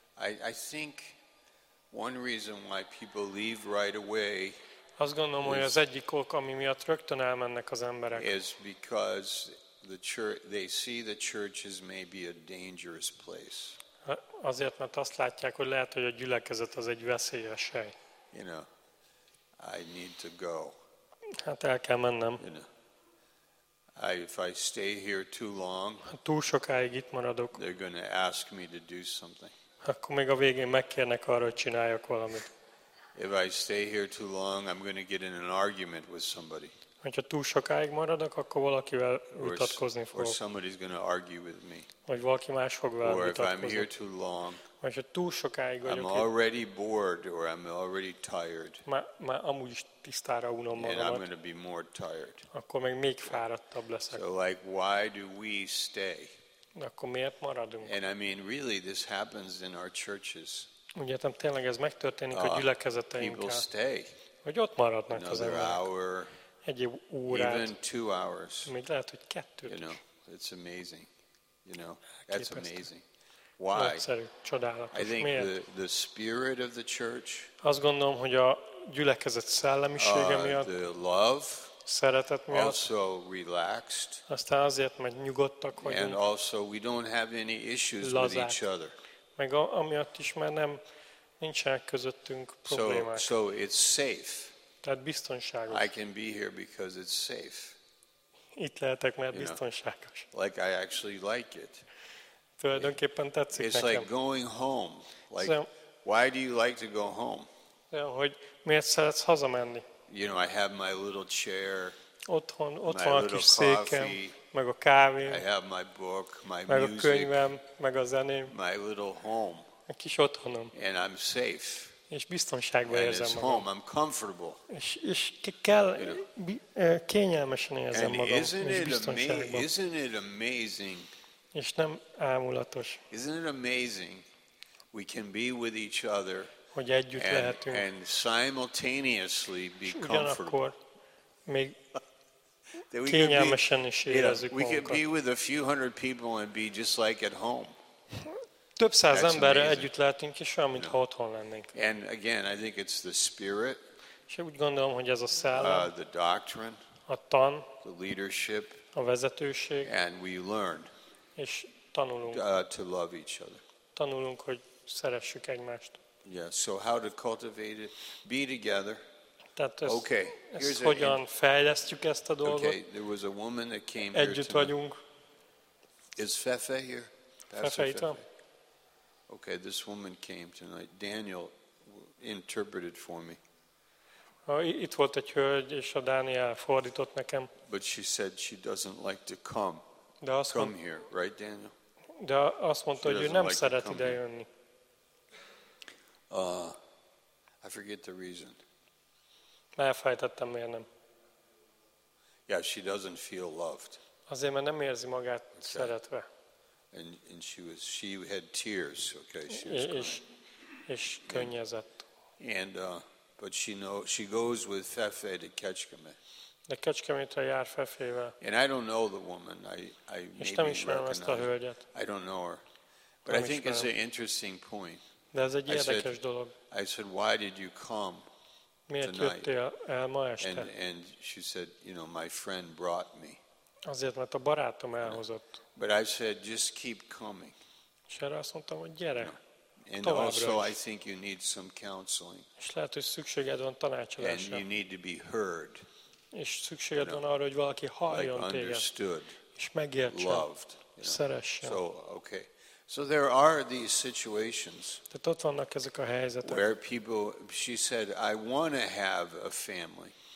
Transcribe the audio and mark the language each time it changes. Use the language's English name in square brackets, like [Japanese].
[English] I think one reason why people leave right away. [Hungarian] Azt gondolom, hogy az egyik ok, ami miatt rögtön elmennek az emberek. [English] Is because the church, they see the church is maybe a dangerous place. [Hungarian] Azért, mert azt látják, hogy lehet, hogy a gyülekezet az egy veszélyes hely. [English] You know, I need to go. [Hungarian] Hát el kell mennem. [English] You know, if I stay here too long, [Hungarian] túl sokáig itt maradok, [English] they're going to ask me to do something. [Hungarian] Akkor még a végén megkérnek arra, hogy csináljak valamit. [English] If I stay here too long, I'm going to get in an argument with somebody. [Hungarian] Hogyha túl sokáig maradok, akkor valakivel vitatkozni fogok. [English] Or somebody's going to argue with me. [Hungarian] Vagy valaki más fog velem vitatkozni. [English] Or if I'm here too long, [Hungarian] vagy ha túl sokáig vagyok. [English] I'm already bored, or I'm already tired. [Hungarian] Már amúgy is tisztára unom magamat. [English] And I'm going to be more tired. [Hungarian] Akkor még fáradtabb leszek. [English] So like, why do we stay? [Hungarian] Akkor miért maradunk? [English] And I mean, really, this happens in our churches. [Hungarian] Úgy értem, tényleg ez megtörténik a gyülekezeteinkkel. [English] People stay. [Hungarian] Hogy ott maradnak [English] another [Hungarian] az emberek. [English] Hour, [Hungarian] egy órát. [English] Even 2 hours. [Hungarian] Még lehet, hogy kettőt is. [English] You know, it's amazing. You know, that's amazing. Why? [Hungarian] Csodálatos. [English] I think [Hungarian] miért? [English] The spirit of the church. [Hungarian] Azt gondolom, hogy a gyülekezet szellemisége miatt. [English] The love. [Hungarian] Szeretet miatt. [English] Also relaxed. [Hungarian] Aztán azért, mert nyugodtak vagyunk. [English] And also we don't have any issues with each other. [Hungarian] Meg amiatt is már nem nincsenek közöttünk problémák. [English] So it's safe. [Hungarian] Tehát biztonságos. [English] I can be here because it's safe. [Hungarian] Itt lehetek, mert biztonságos. [English] Like I actually like it. [Hungarian] Tulajdonképpen tetszik [English] it's [Hungarian] nekem. [English] It's like going home. Like, so, why do you like to go home? [Hungarian] Hogy miért szeretsz hazamenni? [English] You know, I have my little chair. [Hungarian] Otthon a kis székem, meg a kávé. [English] I have my book, my [Hungarian] meg [English] music. [Hungarian] Meg a könyvem, meg a zeném. [English] My little home. [Hungarian] A kis otthonom. [English] And I'm safe. [Hungarian] és biztonságban érzem magam. [English] Home, I'm comfortable. [Hungarian] És kell kényelmesen érzem magam, és biztonságban. [English] Isn't it amazing? [Hungarian] És nem ámulatos. [English] Isn't it amazing? We can be with each other. [Hungarian] Hogy együtt lehetünk. [English] And simultaneously be comfortable. [Hungarian] Még kényelmesen is érezzük magunkat. [English] We can be with a few hundred people and be just like at home. [Hungarian] Több száz emberrel együtt lehetünk, és olyan, mintha otthon lennénk. [English] And again, I think it's the spirit. [Hungarian] És úgy gondolom, hogy ez a szellem. [English] The doctrine. [Hungarian] A tan. [English] The leadership. [Hungarian] A vezetőség. [English] And we learn. [Hungarian] És tanulunk. [English] To love each other. [Hungarian] Tanulunk, hogy szeressük egymást. [English] Yeah, so how to cultivate it? Be together. [Hungarian] Tehát ezt, okay. Ezt hogyan fejlesztjük ezt a dolgot? [English] Okay. There was a woman that came [Hungarian] együtt [English] here [Hungarian] vagyunk. [English] Is Fefe here? [Hungarian] Fefe itt van. [English] Okay, this woman came tonight. Daniel interpreted for me. [Hungarian] Itt volt egy hölgy, és a Dániel fordított nekem. [English] But she said she doesn't like to come. [Hungarian] De azt [English] come here, right, Daniel? [Hungarian] De azt mondta, hogy ő nem like szeret ide jönni. [English] I forget the reason. [Hungarian] Elfejtettem, miért nem. [English] Yeah, she doesn't feel loved. [Hungarian] Azért, mert nem érzi magát okay. szeretve. [English] And she had tears, okay? She was crying. [Hungarian] És könnyezett. [English] But she goes with Fefe to Kecskemé. [Hungarian] De Kecskemétre jár Fefével. [English] And I don't know the woman. I [Hungarian] és nem ismerem ezt a hölgyet. [English] I don't know her. But I think [Hungarian] ismerem. [English] It's an interesting point. [Hungarian] De ez egy érdekes dolog. [English] I said, why did you come [Hungarian] miért [English] tonight? [Hungarian] Jöttél el ma este? [English] And she said, you know, my friend brought me. [Hungarian] Azért, mert a barátom elhozott. [English] But I said, just keep coming. [Hungarian] És erre azt mondtam, hogy gyere. [English] No. And also I think you need some counseling. [Hungarian] És lehet, hogy szükséged van tanácsadásra. [English] And you need to be heard. [Hungarian] És szükséged van arra, hogy valaki halljon [English] like understood, [Hungarian] téged. És megértsen. [English] Loved. You know? [Hungarian] Szeressen. [English] So, okay. So there are these situations. [Hungarian] Tehát ott vannak ezek a helyzetek. [English] Where people, she said, I want to have a family.